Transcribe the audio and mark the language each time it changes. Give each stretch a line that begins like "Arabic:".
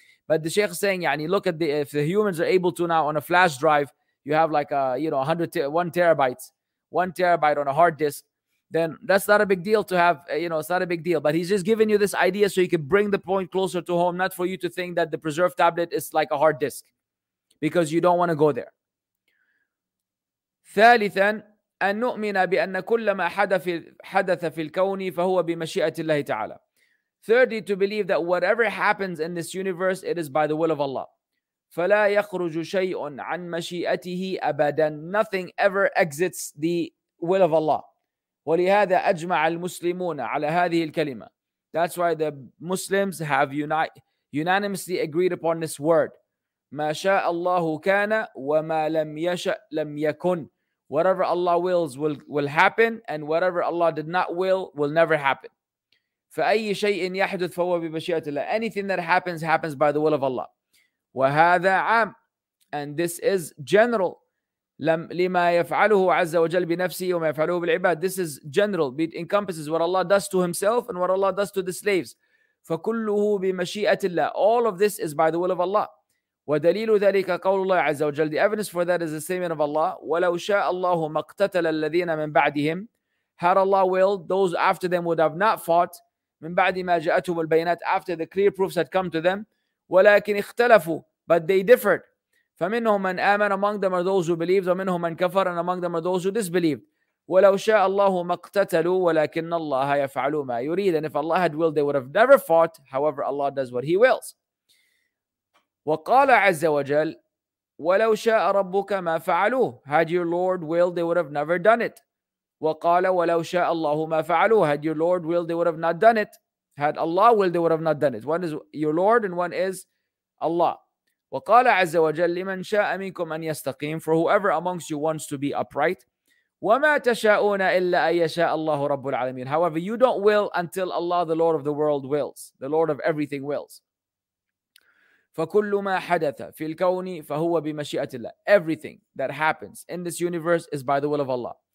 English: But the Shaykh is saying, look at if the humans are able to now on a flash drive, you have like 1 terabyte on a hard disk. Then that's not a big deal to have, it's not a big deal. But he's just giving you this idea so you can bring the point closer to home, not for you to think that the preserved tablet is like a hard disk, because you don't want to go there.
Arabic: ثالثا أن نؤمن بأن كل ما حدث في الكون فهو بمشيئة الله تعالى.
English: Thirdly, to believe that whatever happens in this universe, it is by the will of Allah.
Arabic: فلا يخرج شيء عن مشيئته أبدا.
English: Nothing ever exits the will of Allah.
Arabic: ولهذا أجمع المسلمون على هذه الكلمة.
English: That's why the Muslims have unanimously agreed upon this word.
Arabic: ما شاء الله كان وما لم يشأ لم يكن.
English: Whatever Allah wills will happen, and whatever Allah did not will never happen.
Arabic: فأي شيء يحدث فهو بمشيئة الله.
English: Anything that happens by the will of Allah.
Arabic: وهذا عام.
English: And this is general.
Arabic: لما يفعله عز وجل بنفسه وما يفعله بالعباد.
English: This is general. It encompasses what Allah does to Himself and what Allah does to the slaves.
Arabic: فكله بمشيئة الله.
English: All of this is by the will of Allah.
Arabic: ودليل ذلك قول الله عز وجل.
English: The evidence for that is the statement of Allah.
Arabic: ولو شاء الله ما اقتتل الذين من بعدهم.
English: Had Allah willed, those after them would have not fought.
Arabic: من بعد ما جاءتهم البينات.
English: After the clear proofs had come to them.
Arabic: ولكن اختلفوا.
English: But they differed.
Arabic: فَمِنْهُمْ مَنْ آمَنَ.
English: Among them are those who believed.
Arabic: وَمِنْهُمْ مَنْ كَفَرَ.
English: And among them are those who disbelieved.
Arabic: وَلَوْ شَاءَ اللَّهُ مَا اقْتَتَلُوا وَلَكِنَّ اللَّهَ يَفْعَلُ مَا يُرِيدُ.
English: And if Allah had willed, they would have never fought. However, Allah does what He wills.
Arabic: وَقَالَ عَزَّ وَجَلْ وَلَوْ شَاءَ رَبُّكَ مَا فَعَلُوهُ.
English: Had your Lord willed, they would have never done it.
Arabic: وَقَالَ وَلَوْ شَاءَ اللَّهُ مَا فَعَلُوهُ.
English: Had your Lord willed, they would have not done it. Had Allah willed, they would have not done it. One is your Lord and one is Allah.
Arabic: وقال عز وجل لمن شاء منكم أن يستقيم.
English: For whoever amongst you wants to be upright.
Arabic: وما تشاءون إلا أن يشاء الله رب العالمين.
English: However, you don't will until Allah, the Lord of the world, wills. The Lord of everything wills.
Arabic: فَكُلُّ مَا حَدَثَ فِي الْكَوْنِ فَهُوَ بِمَشِئَةِ اللَّهِ.
English: Everything that happens in this universe is by the will of Allah.